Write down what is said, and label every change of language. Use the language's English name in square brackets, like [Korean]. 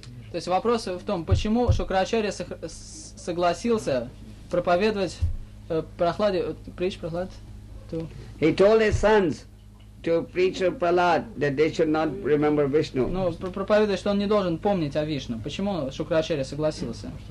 [Russian] То есть вопрос в том, почему Шукрачарья согласился проповедовать Прахладе, [English] preach Prahlad to? He told his sons to preach to Prahlad that they should not remember Vishnu. [Russian] Ну, проповедовать, что он не должен помнить о Вишну. Почему Шукрачарья согласился?